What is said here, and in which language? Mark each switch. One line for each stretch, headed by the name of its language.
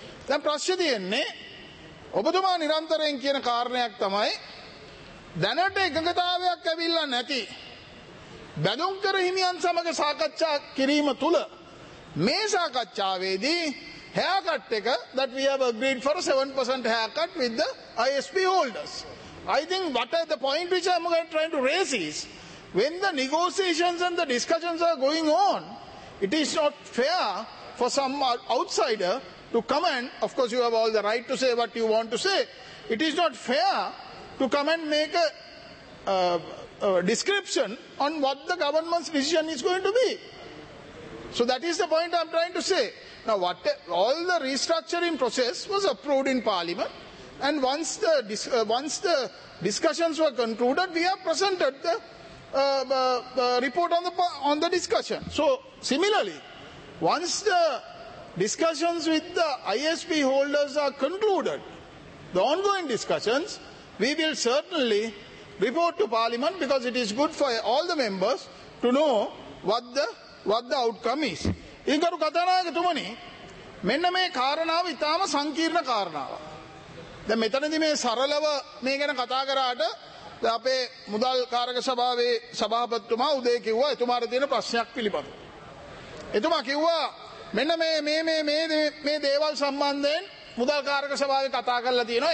Sinhala: දැන් ප්‍රශ්නේ තියෙන්නේ ඔබතුමා නිරන්තරයෙන් කියන කාරණයක් තමයි දැනට එකඟතාවයක් ඇවිල්ලා නැති බැඳුම්කර හිමියන් සමග සාකච්ඡා කිරීම තුළ මේ සාකච්ඡාවේදී haircut එක
English: that we have agreed for a 7% haircut with the ISP holders. I think what are the point which I'm trying to raise is when the negotiations and the discussions are going on, it is not fair for some outsider to come and, of course you have all the right to say what you want to say, it is not fair to come and make a description on what the government's decision is going to be. So that is the point I'm trying to say. Now, all the restructuring process was approved in Parliament, and once the discussions were concluded, we have presented the report on the discussion. So similarly, once the discussions with the ISP holders are concluded, the ongoing discussions, we will certainly report to Parliament, because it is good for all the members to know what the outcome is.
Sinhala: ඉංගරු කතානායකතුමනි මෙන්න මේ කාරණාව ඉතාම සංකීර්ණ කාරණාවක්. දැන් මෙතනදී මේ සරලව මේ ගැන කතා කරාට අපේ මුදල් කාර්ක සභාවේ සභාපතිතුමා උදේ කිව්වා එතුමාට තියෙන ප්‍රශ්නයක් පිළිබඳව. එතුමා කිව්වා මෙන්න මේ මේ මේ මේ මේ දේවල් සම්බන්ධයෙන් මුදල් කාර්ක සභාවේ කතා කරලා තියෙනවා.